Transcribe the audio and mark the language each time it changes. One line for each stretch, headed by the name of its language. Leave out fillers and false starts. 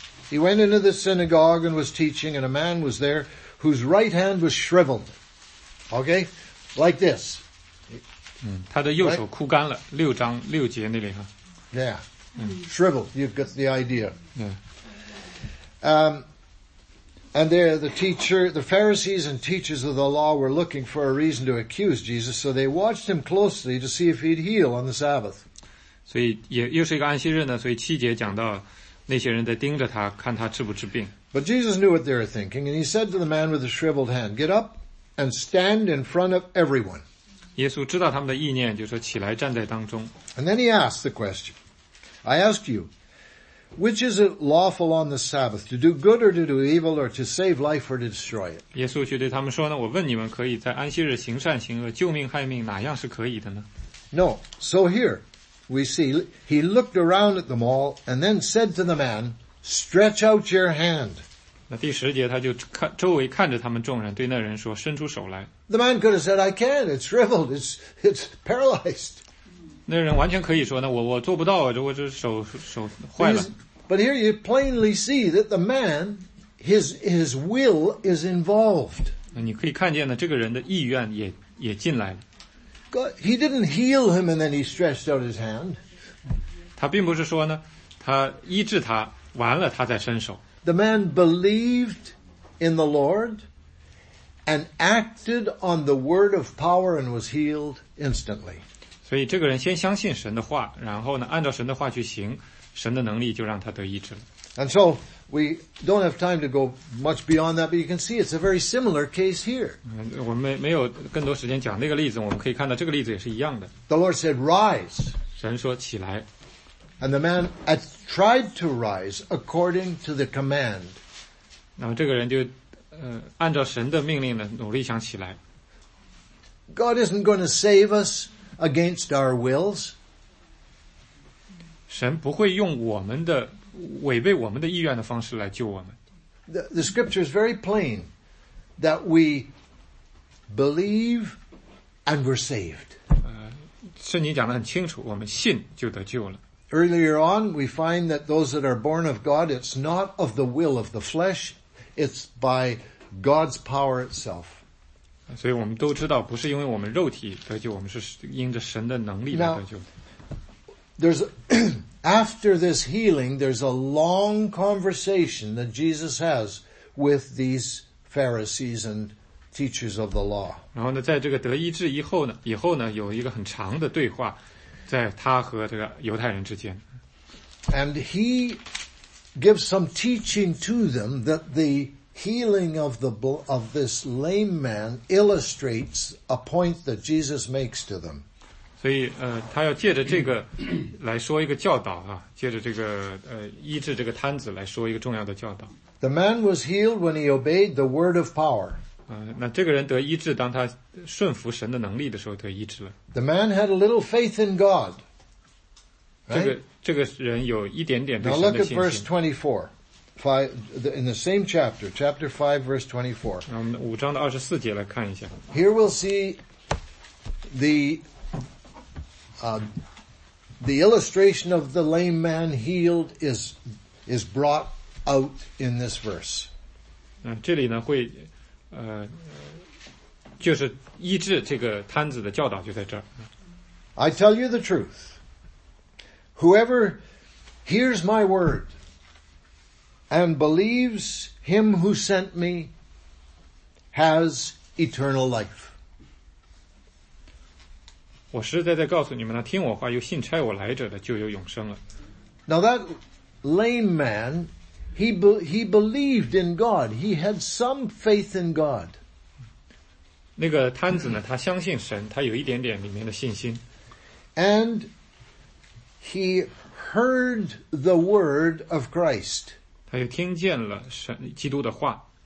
English: He went into the synagogue and was teaching, and a man was there whose right hand was shriveled. Okay? Like this.
Chinese: 他的右手枯干了，六章六节那里哈。
English: Yeah, shriveled, you get the idea. Yeah. And there the Pharisees and teachers of the law were looking for a reason to accuse Jesus, so they watched him closely to see if he'd heal on the Sabbath.
Chinese: 所以又是一个安息日呢，所以七节讲到那些人在盯着他，看他治不治病。
English: But Jesus knew what they were thinking, and he said to the man with the shriveled hand, "Get up and stand in front of everyone."
Chinese: 耶稣知道他们的意念，就说起来站在当中。
English: And then he asked the question. I ask you, which is it lawful on the Sabbath, to do good or to do evil, or to save life or to destroy it?
Chinese: 耶稣就对他们说呢，我问你们，可以在安息日行善行恶，救命害命，哪样是可以的呢？
English: No. So here, we see, he looked around at them all, and then said to the man, stretch out your hand.
Chinese: 那第十节他就看周围看着他们众人对那人说伸出手来。
English: The man could have said, I can't, it's shriveled, it's paralyzed.
Chinese: 那人完全可以说呢我做不到啊我这手坏了。
English: But here you plainly see that the man, his will is involved.
Chinese: 那你可以看见呢这个人的意愿也进来了。
English: God, he didn't heal him and then he stretched out his hand.
Chinese: 他并不是说呢他医治他完了他再伸手。
English: The man believed in the Lord and acted on the word of power and was healed instantly.
Chinese: 所以这个人先相信神的话，然后呢，按照神的话去行，神的能力就让他得医治了。
English: And so we don't have time to go much beyond that, but you can see it's a very similar case here.
Chinese: 我们没有更多时间讲那个例子，我们可以看到这个例子也是一样的。
English: The Lord said, "Rise."
Chinese: 神说起来。
English: And the man tried to rise according to the command.
Chinese: 那么这个人就按照神的命令呢努力想起来。
English: God isn't going to save us against our wills.
Chinese: 神不会用我们的违背我们的意愿的方式来救我们。
English: The scripture is very plain that we believe and we're saved.
Chinese: 圣经讲得很清楚我们信就得救了。
English: Earlier on, we find that those that are born of God, it's not of the will of the flesh, it's by God's power itself.
Chinese: 所以我们都知道，不是因为我们肉体得救，我们是因着神的能力来得救。
English: There's after this healing, there's a long conversation that Jesus has with these Pharisees and teachers of the law.
Chinese: 然后呢，在这个得医治以后呢，有一个很长的对话。在他和这个犹太人之间。
English: And he gives some teaching to them that the healing of this lame man illustrates a point that Jesus makes to them.
Chinese: 所以他要借着这个来说一个教导啊借着这个医治这个瘫子来说一个重要的教导。
English: The man was healed when he obeyed the word of power.
Chinese: 那这个人得医治当他顺服神的能力的时候得医治了。
English: The man had a little faith in God.
Chinese: 这个人有一点点对神的信心。
English: Now look at verse 24. In the same chapter, chapter 5, verse 24.
Chinese: 那我们五章的二十四节来看一下。
English: Here we'll see the illustration of the lame man healed is brought out in this verse.
Chinese: 这里呢会就是医治这个瘫子的教导就在这儿。
English: I tell you the truth. Whoever hears my word and believes him who sent me has eternal life.
Chinese: 我实在在告诉你们呢，听我话又信差我来者的就有永生了。
English: Now that lame man He believed in God. He had some faith in God.
Chinese: 那个瘫子呢，他相信神，他有一点点里面的信心。
English: And he heard the word of Christ.
Chinese: 他又听见了神基督的话。